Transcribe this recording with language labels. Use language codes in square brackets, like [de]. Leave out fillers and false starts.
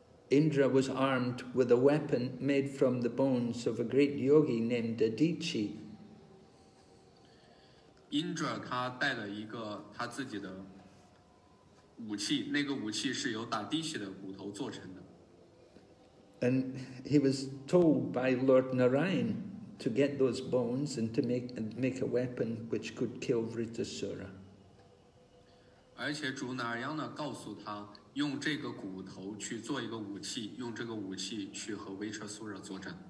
[en] Indra was armed with a weapon made from the bones of a great yogi named Adichie. [zh] Indra 他带了一个他自己的武器，那个武器是由打地气的骨头做成的。 [en] And he was told by Lord Narayan to get those bones and to make a weapon which could kill Vritasura. [zh] 而且主哪央呢告诉他用这个骨头去做一个武器，用这个武器去和维彻苏惹作战。